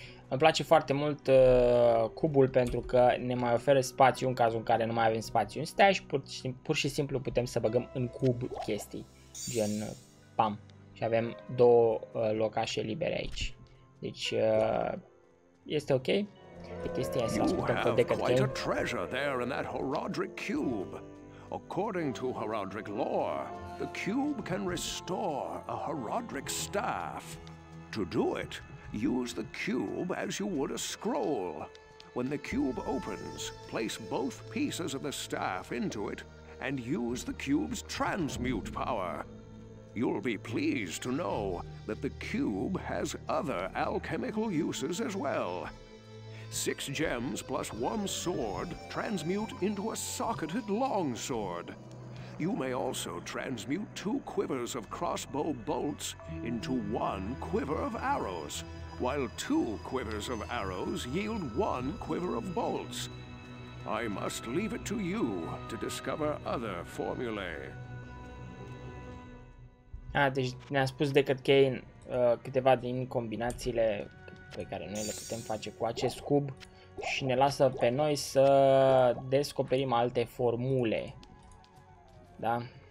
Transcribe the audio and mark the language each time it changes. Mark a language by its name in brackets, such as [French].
[Romanian] Îmi place foarte mult cubul pentru că ne mai oferă spațiu în cazul în care nu mai avem spațiu în stash, pur și simplu putem să băgăm în cub chestii, gen pam, și avem două locașe libere aici. Deci este ok. Chestia asta, ascultăm cu decât. [English] Treasure there in that Horadric cube. According to Herodric lore, the cube can restore a Herodric staff. To do it, use the cube as you would a scroll. When the cube opens, place both pieces of the staff into it and use the cube's transmute power. You'll be pleased to know that the cube has other alchemical uses as well. 6 gems plus 1 sword transmute into a socketed longsword. You may also transmute 2 quivers of crossbow bolts into 1 quiver of arrows, while 2 quivers of arrows yield 1 quiver of bolts. I must leave it to you to discover other formulae. [Romanian] A, deci ne-a spus decât că câteva din combinațiile pe care noi le putem face cu acest cub și ne lasă pe noi să descoperim alte formule. Da?